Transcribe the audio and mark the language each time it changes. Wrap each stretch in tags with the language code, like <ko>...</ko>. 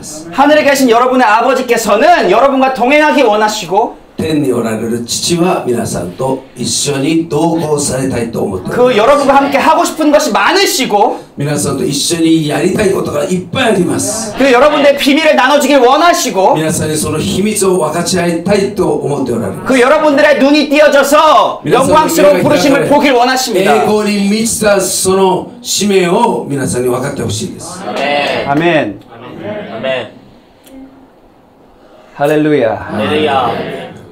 <ko>하늘에 계신 여러분의 아버지께서는 여러분과 동행하기 원하시고</ko> <ja>天におられる父は皆さんと一緒に同行されたいと思っています。</ja> <ko>그 여러분과 함께 하고 싶은 것이 많으시고</ko> <ja>皆さんと一緒にやりたいことがいっぱいあります。</ja> <ko>그 여러분들 비밀을 나눠주길 원하시고</ko> <ja>皆さんにその秘密を分かち合いたいと思っております。</ja> <ko>그 여러분들의 눈이 띄어져서 영광스러운 부르심을 보길 원하십니다. 영광이 미치다</ko> <ja>その使命を皆さんに分かってほしいです。</ja> <ko>아멘. 아멘. 할렐루야. 할렐루야.</ko>